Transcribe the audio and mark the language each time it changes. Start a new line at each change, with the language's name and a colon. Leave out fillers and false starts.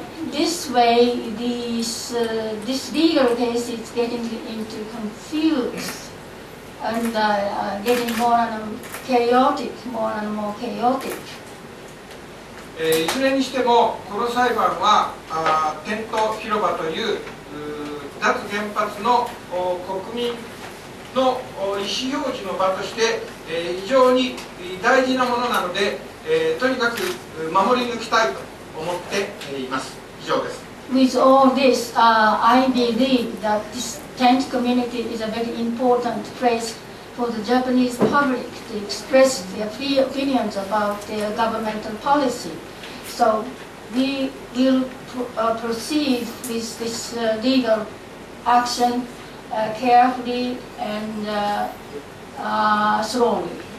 English: This way, this legal case is getting into confused and getting more and more chaotic, more and more chaotic.
Japanese: いずれにしてもこの裁判は点と広場という脱原発の国民の意思表示の場として非常に大事なものなので、とにかく守り抜きたいと。
English: With all this, I believe that this tent community is a very important place for the Japanese public to express their free opinions about their governmental policy. So we will proceed with this legal action carefully and slowly.